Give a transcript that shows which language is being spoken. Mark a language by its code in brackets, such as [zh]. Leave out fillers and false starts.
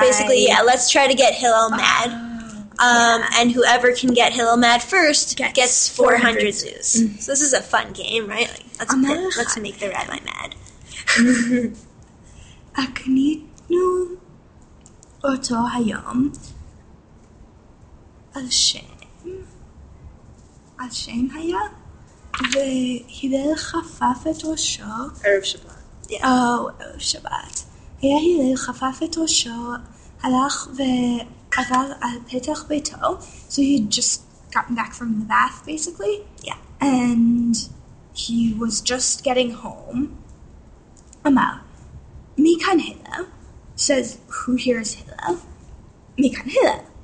[en] Basically, yeah, let's try to get Hillel mad. And whoever can get Hillel mad first gets 400 zoos. Mm. So this is a fun game, right? Like, let's make the rabbi mad. [he] הקניתנו אותו היום על שם, על שם היה, והלל חפף את ראשו. ערב שבת. Oh, ערב שבת. היה הלל חפף את ראשו, הלך ועבר על פתח ביתו. [en] So he just gotten back from the bath, basically. Yeah. And he was just getting home. [he] אמר, מי כאן הלל? [en] Says, who here is [he] הלל? מי כאן הלל?